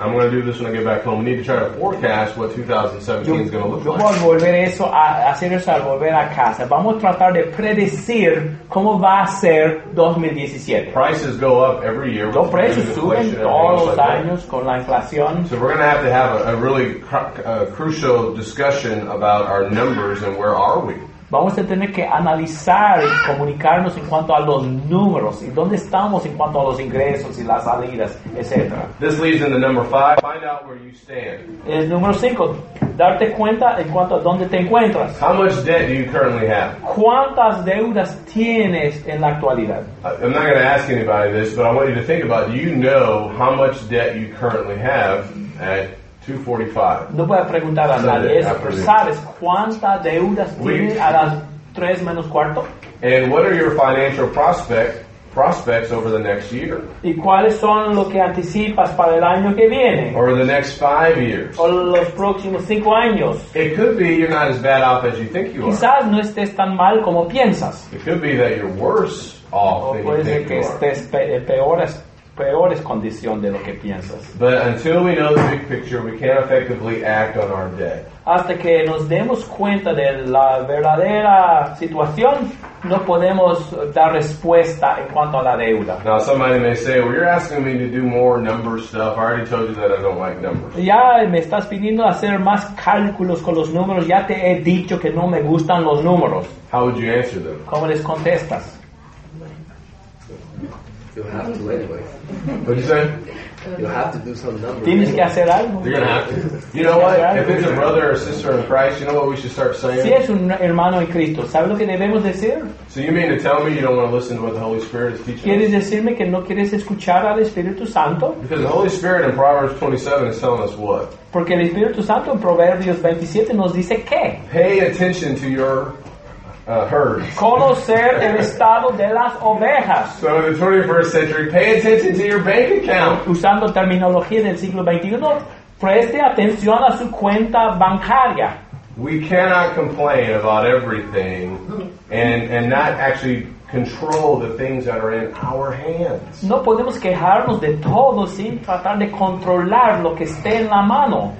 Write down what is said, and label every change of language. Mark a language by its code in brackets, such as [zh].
[en] I'm going to do this when I get back home. We need to try to forecast what 2017 is going to look like. [es] Yo voy a volver eso, a hacer eso, a volver a casa. Vamos a tratar de predecir cómo va a ser 2017. [en] Prices go up every year. [es] Los precios suben todos los años con la inflación. [en] So we're going to have a really crucial discussion about our numbers and where are we. [es] Vamos a tener que analizar y comunicarnos en cuanto a los números y dónde estamos en cuanto a los ingresos y las salidas, etc. [en] This leads into number five. Find out where you stand. [es] El número cinco, darte cuenta en cuanto a dónde te encuentras. [en] How much debt do you currently have? [es] ¿Cuántas deudas tienes en la actualidad? [en] I'm not going to ask anybody this, but I want you to think about it. Do you know how much debt you currently have at 2:45. [es] No voy a preguntar a nadie eso, pero ¿sabes cuántas deudas tienes a las 3 menos cuarto? [en] And what are your financial prospects prospects over the next year. [es] ¿Y cuáles son lo que anticipas para el año que viene? [en] Or the next 5 years. [es] O los próximos 5 años. [en] It could be you're not as bad off as you think you [es] quizás [en] are. [es] Quizás no estés tan mal como piensas. [en] It could be that you're worse off than you think you are. [es] O puede ser que estés peores condiciones de lo que piensas. [en] But until we know the big picture, we can't effectively act on our debt. [es] Hasta que nos demos cuenta de la verdadera situación, no podemos dar respuesta en cuanto a la deuda. [en] Now somebody may say, well, you're asking me to do more number stuff. I already told you that I don't like numbers. [es] Ya me estás pidiendo hacer más cálculos con los números. Ya te he dicho que no me gustan los números. [en] How would you answer them? [es] ¿Cómo les contestas? [en] You'll have to anyway. What did you say? You'll have to do some numbers. [es] Tienes que hacer algo. [en] You're gonna have to. You know what? If it's a brother or sister in Christ, you know what we should start saying? [es] Si es un hermano en Cristo, ¿sabes lo que debemos decir? [en] So you mean to tell me you don't want to listen to what the Holy Spirit is teaching? [es] ¿Quieres decirme que no quieres escuchar al Espíritu Santo? [en] Because the Holy Spirit in Proverbs 27 is telling us what? [es] Porque el Espíritu Santo en Proverbios 27 nos dice qué? [en] Pay attention to your herds. [es] Conocer el estado de las ovejas. [en] So in the 21st century, pay attention to your bank account. [es] Usando terminología del siglo 21, preste atención a su cuenta bancaria. [en] We cannot complain about everything and not actually control the things that are in our hands. [es] No podemos quejarnos de todo sin tratar de controlar lo que esté en la mano.